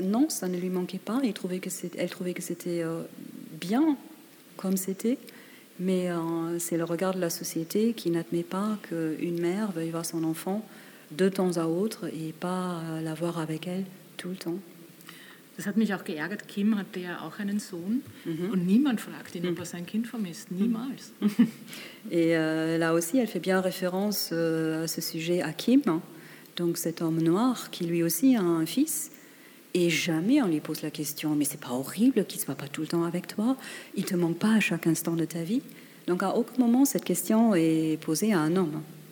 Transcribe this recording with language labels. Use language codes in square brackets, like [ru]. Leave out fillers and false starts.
[fr] Non, ça ne lui manquait pas. Elle trouvait que c'était bien comme c'était. Mais c'est le regard de la société qui n'admet pas qu'une mère veuille voir son enfant de temps à autre et pas l'avoir avec elle tout le temps. [de] Das hat mich auch geärgert. Kim hatte ja auch einen Sohn und niemand fragt ihn, ob er sein Kind vermisst. Niemals. [fr] Et là aussi, elle fait bien référence à ce sujet à Kim, donc cet homme noir qui lui aussi a un fils. Et jamais on lui pose la question, mais c'est pas horrible qu'il ne soit pas tout le temps avec toi? Il ne te manque pas à chaque instant de ta vie? Donc à aucun moment cette question est posée à un homme.